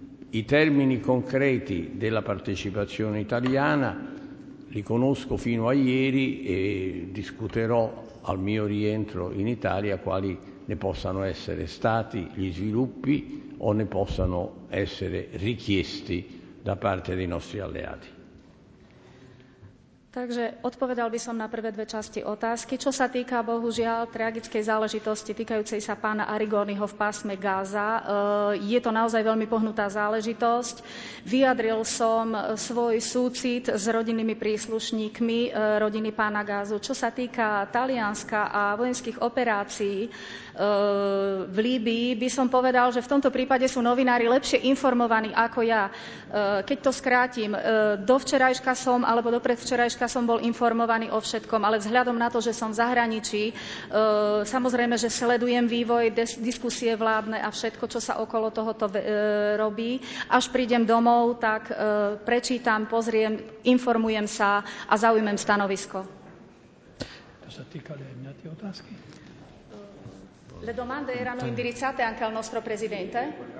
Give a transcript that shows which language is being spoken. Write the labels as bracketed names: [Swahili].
[Italian] I termini concreti della partecipazione italiana li conosco fino a ieri e discuterò al mio rientro in Italia quali ne possano essere stati gli sviluppi o ne possano essere richiesti da parte dei nostri alleati. [Slovak] Takže odpovedal by som na prvé dve časti otázky. Čo sa týka, bohužiaľ, tragickej záležitosti týkajúcej sa pána Arrigoniho v pásme Gaza, je to naozaj veľmi pohnutá záležitosť. Vyjadril som svoj súcit s rodinnými príslušníkmi rodiny pána Gazu. Čo sa týka Talianska a vojenských operácií v Líbii, by som povedal, že v tomto prípade sú novinári lepšie informovaní ako ja. Keď to skrátim, dovčerajška som, alebo dopredvčerajška som bol informovaný o všetkom, ale vzhľadom na to, že som v zahraničí, samozrejme, že sledujem vývoj, diskusie vládne a všetko, čo sa okolo tohoto robí. Až prídem domov, tak prečítam, pozriem, informujem sa a zaujmem stanovisko. To sa týkali aj mňa tie otázky? [Italian] Le domande erano indirizzate anche al nostro presidente?